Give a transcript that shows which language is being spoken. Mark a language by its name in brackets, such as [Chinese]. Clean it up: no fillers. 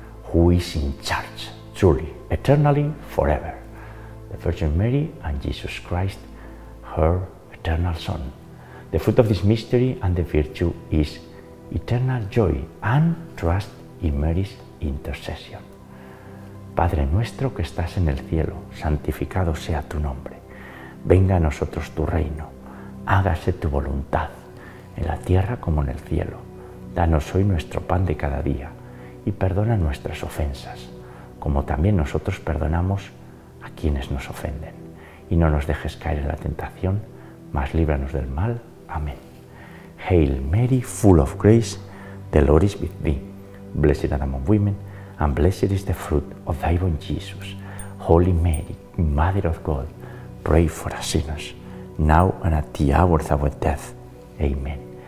[English] Who is in charge, truly, eternally, forever? The Virgin Mary and Jesus Christ, her eternal Son. The fruit of this mystery and the virtue is eternal joy and trust in Mary's intercession. [Spanish] Padre nuestro que estás en el cielo, santificado sea tu nombre. Venga a nosotros tu reino. Hágase tu voluntad, en la tierra como en el cielo. Danos hoy nuestro pan de cada día y perdona nuestras ofensas, como también nosotros perdonamos a quienes nos ofenden. Y no nos dejes caer en la tentación, mas líbranos del mal. Amén. [English] Hail Mary, full of grace, the Lord is with thee. Blessed art thou among women, and blessed is the fruit of thy womb, Jesus. Holy Mary, Mother of God, pray for us sinners, now and at the hour of our death. Amen.